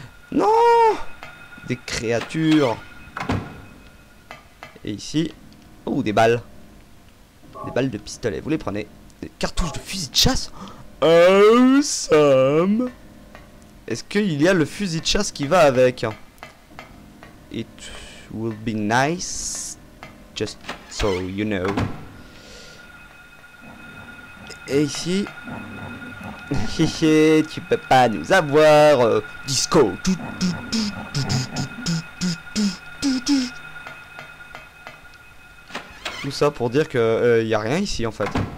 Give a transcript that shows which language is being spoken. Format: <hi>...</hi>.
<fr>Non ! Des créatures. Et ici, oh, des balles. Des balles de pistolet, vous les prenez. Des cartouches de fusil de chasse.</fr> <en>Awesome.</en> <fr>Est-ce qu'il y a le fusil de chasse qui va avec?</fr> <en>It will be nice, just so you know.</en> <fr>Et ici, tu peux pas nous avoir, disco. Tout ça pour dire que y a rien ici en fait.</fr>